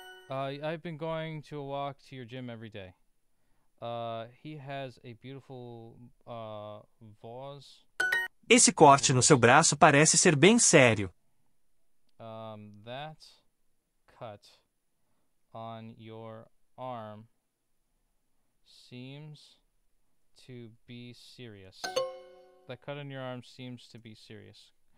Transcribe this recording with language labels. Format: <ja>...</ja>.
<en>I've been going to a walk to your gym every day. He has a beautiful voice.</en> <pt>Esse corte no seu braço parece ser bem sério.</pt> <en>That cut on your arm seems to be serious. That cut on your arm seems to be serious.</en>